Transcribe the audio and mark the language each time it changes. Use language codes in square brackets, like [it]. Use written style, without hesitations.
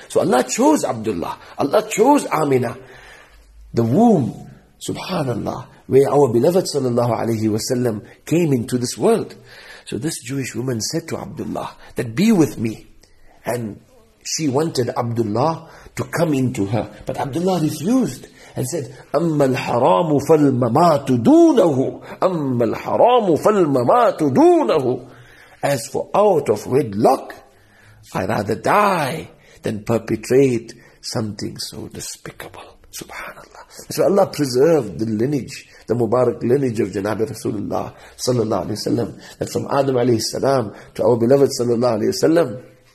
[en] So Allah chose Abdullah. Allah chose Amina, the womb, subhanallah, where our beloved sallallahu alaihi wasallam came into this world. So this Jewish woman said to Abdullah that, be with me. And she wanted Abdullah to come into her. But Abdullah refused and said, [ar] أَمَّا الْحَرَامُ فَالْمَمَاتُ دُونَهُ أَمَّا الْحَرَامُ فَالْمَمَاتُ دُونَهُ. [en] As for out of wedlock, I'd rather die than perpetrate something so despicable. SubhanAllah. So Allah preserved the lineage, the Mubarak lineage of Janabi Rasulullah sallallahu alayhi wa sallam. That from Adam alayhi salam to our beloved sallallahu alayhi wa sallam.